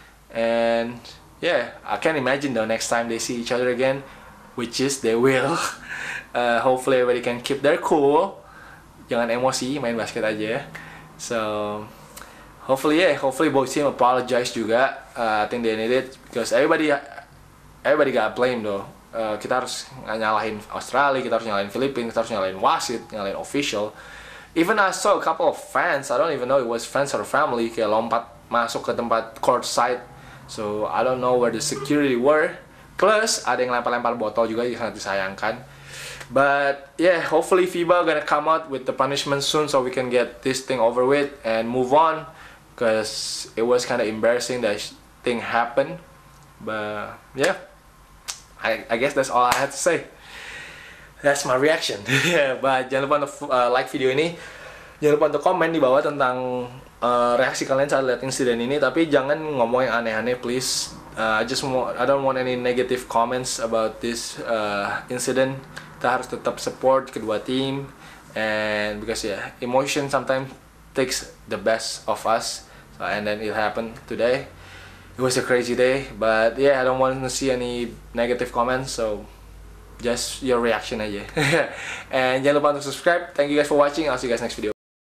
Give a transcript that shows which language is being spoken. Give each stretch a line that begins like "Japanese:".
English: And yeah, I can't imagine though next time they see each other again, which is they will. Hopefully everybody can keep their cool.
Indonesian: Jangan emosi, main basket aja ya.
English: So, hopefully both team apologize juga. I think they need it because everybody got blamed though.
Indonesian: Kita harus nyalahin Australia, kita harus nyalahin Filipina, kita harus nyalahin wasit, nyalahin official.
English: Even I saw a couple of fans, I don't even know it was fans or family,
Indonesian: kayak lompat masuk ke tempat court side.
English: So, I don't know where the security were.
Indonesian: Plus, ada yang lempar-lempar botol juga yang sangat disayangkan.
English: But yeah, hopefully FIBA gonna come out with the punishment soon so we can get this thing over with and move on, because it was kind of embarrassing that thing happened. But yeah, I guess that's all I had to say. That's my reaction. But
Indonesian: jangan lupa untuk like video ini. Jangan lupa untuk komen di bawah tentang reaksi kalian saat lihat insiden ini. Tapi jangan ngomong yang aneh-aneh, please.
English: I don't want any negative comments about this incident.
Indonesian: Kita harus tetap support kedua tim,
English: and because yeah, emotion sometimes takes the best of us. So, and then it happened today. It was a crazy day, but yeah, I don't want to see any negative comments, so just your reaction aja. And
Indonesian: jangan lupa untuk subscribe.
English: Thank you guys for watching. I'll see you guys next video.